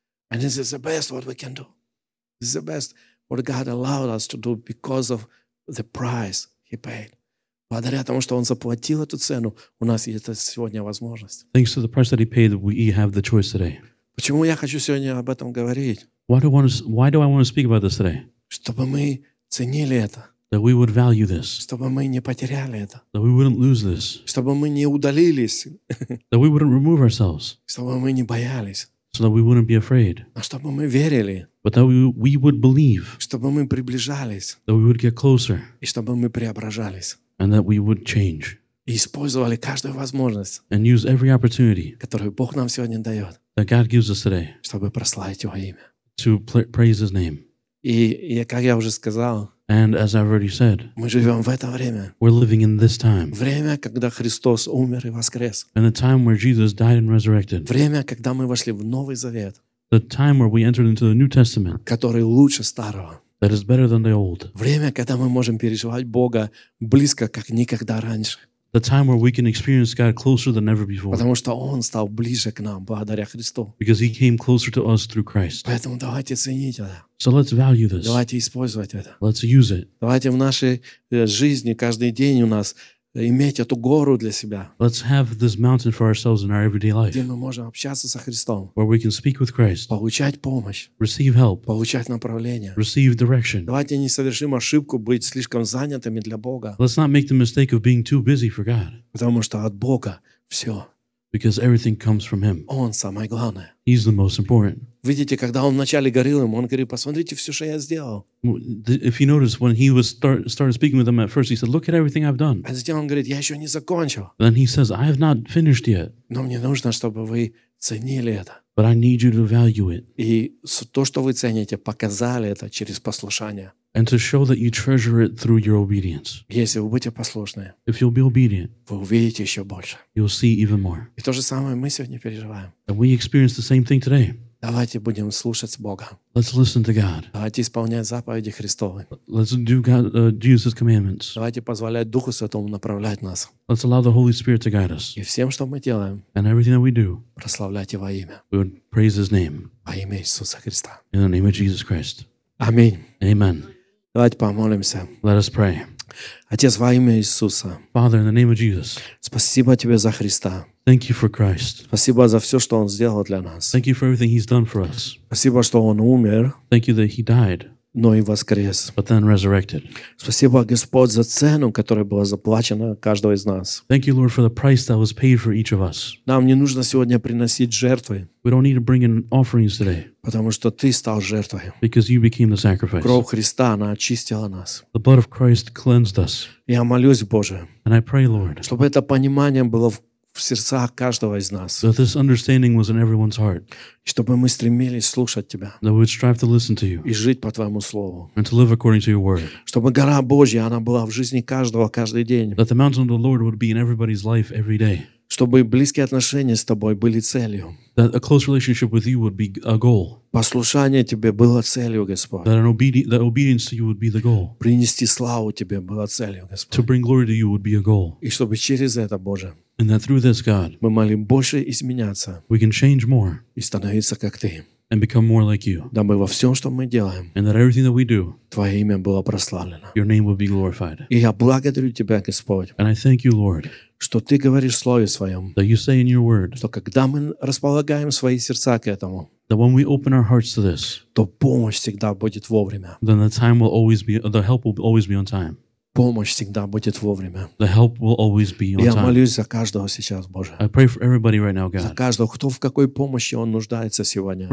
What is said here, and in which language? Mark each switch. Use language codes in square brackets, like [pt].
[en] And this is the best what we can do. This is the best what God allowed us to do because of the price He paid. [ru] Благодаря тому, что он заплатил эту цену, у нас есть сегодня возможность. [en] Thanks to the price that he paid, we have the choice today. [ru] Почему я хочу сегодня об этом говорить? [en] Why do I want to speak about this today? [ru] Чтобы мы ценили это. [en] That we would value this. [ru] Чтобы мы не потеряли это. [en] That we wouldn't lose this. [ru] Чтобы мы не удалились. [en] That we wouldn't remove ourselves. [ru] Чтобы мы не боялись. [en] So that we wouldn't be afraid. [ru] А чтобы мы верили. [en] But that we would believe. [ru] Чтобы мы приближались. [en] That we would get closer. [ru] И чтобы мы преображались. [en] And that we would change. [ru] И использовали каждую возможность. [en] And use every opportunity. [ru] Которую Бог нам сегодня дает. [en] That God gives us today. [ru] Чтобы прославить Его имя. [en] To praise His name. [ru] И как я уже сказал. [en] And as I've already said. [ru] Мы живем в это время. [en] We're living in this time. [ru] Время, когда Христос умер и воскрес. [en] And the time where Jesus died and resurrected. [ru] Время, когда мы вошли в Новый Завет. [en] The time where we entered into the New Testament. [ru] Который лучше старого. [en] That is better than the old. [ru] Время, когда мы можем переживать Бога близко, как никогда раньше. [en] The time where we can experience God closer than ever before. [ru] Потому что Он стал ближе к нам благодаря Христу. [en] Because He came closer to us through Christ. [ru] Поэтому давайте ценить это. [en] So let's value this. [ru] Давайте использовать это. [en] Let's use it. [ru] Давайте в нашей жизни каждый день у нас иметь эту гору для себя. [en] Let's have this mountain for ourselves in our everyday life. [ru] Где мы можем общаться со Христом. [en] Where we can speak with Christ. [ru] Получать помощь. [en] Receive help. [ru] Получать направление. [en] Receive direction. [ru] Давайте не совершим ошибку быть слишком занятыми для Бога. [en] Let's not make the mistake of being too busy for God. [ru] Потому что от Бога все. [en] Because everything comes from Him. [ru] Он самое главное. [en] He's the most important. [ru] Видите, когда он вначале говорил им, он говорит, посмотрите все, что я сделал. [en] If you notice, when he was started speaking with them at first, he said, look at everything I've done. [ru] А затем он говорит, я еще не закончил. [en] Then he says, I have not finished yet. [ru] Но мне нужно, чтобы вы ценили это. [en] But I need you to value it. [ru] И то, что вы цените, показали это через послушание. [en] And to show that you treasure it through your obedience. [ru] Если вы будете послушны, [en] if you'll be obedient, [ru] вы увидите еще больше. [en] You'll see even more. [ru] И то же самое мы сегодня переживаем. [en] And we experience the same thing today. [ru] Давайте будем слушать Бога. [en] Let's listen to God. [ru] Давайте исполнять заповеди Христовы. [en] Let's do Jesus' commandments. [ru] Давайте позволять Духу Святому направлять нас. [en] Let's allow the Holy Spirit to guide us. [ru] И всем, что мы делаем, [en] and everything that we do, [ru] прославлять Его имя. [en] We would praise His name. [ru] Во имя Иисуса Христа. [en] In the name of Jesus Christ. [ru] Аминь. [en] Amen. [ru] Давайте помолимся. [en] Let us pray. [ru] Отец, во имя Иисуса. [en] Father, in the name of Jesus. [ru] Спасибо тебе за Христа. [en] Thank you for Christ. [ru] Спасибо за все, что Он сделал для нас. [en] Thank you for everything He's done for us. [ru] Спасибо, что Он умер. [en] Thank you that He died. [ru] Но и воскрес. [en] But then resurrected. [ru] Спасибо, Господь, за цену, которая была заплачена каждого из нас. [en] Thank you, Lord, for the price that was paid for each of us. [ru] Нам не нужно сегодня приносить жертвы. [en] We don't need to bring in offerings today. [ru] Потому что Ты стал жертвой. [en] Because You became the sacrifice. [ru] Кровь Христа, она очистила нас. [en] The blood of Christ cleansed us. [ru] Я молюсь, Боже. [en] And I pray, Lord. [ru] Чтобы это понимание было в сердцах каждого из нас. [en] That this understanding was in everyone's heart. [ru] Чтобы мы стремились слушать Тебя. [en] That we would strive to listen to You. [ru] И жить по Твоему Слову. [en] And to live according to Your Word. [ru] Чтобы гора Божья, она была в жизни каждого, каждый день. [en] That the mountain of the Lord would be in everybody's life every day. [ru] Чтобы близкие отношения с Тобой были целью. [en] That a close relationship with You would be a goal. [ru] Послушание Тебе было целью, Господь. [en] That obedience to You would be the goal. [ru] Принести славу Тебе было целью, Господь. [en] To bring glory to You would be a goal. [ru] И чтобы через это, Боже, [en] and that through this, God, [ru] мы молим больше изменяться, [en] we can change more, [ru] и становиться как Ты, [en] and become more like You, [ru] дабы во всем, что мы делаем, [en] and that everything that we do, [ru] Твое имя было прославлено, [en] Your name will be glorified. [ru] И я благодарю Тебя, Господь, [en] and I thank You, Lord, [ru] что Ты говоришь в Слове Своем, [en] that You say in Your Word, [ru] что когда мы располагаем свои сердца к этому, [en] that when we open our hearts to this, [ru] то помощь всегда будет вовремя, [en] then the time will always be, the help will always be on time. [ru] Помощь всегда будет вовремя. [en] The help will always be on time. [ru] Я молюсь за каждого сейчас, Боже. [en] I pray for everybody right now, God. [ru] За каждого, кто в какой помощи он нуждается сегодня.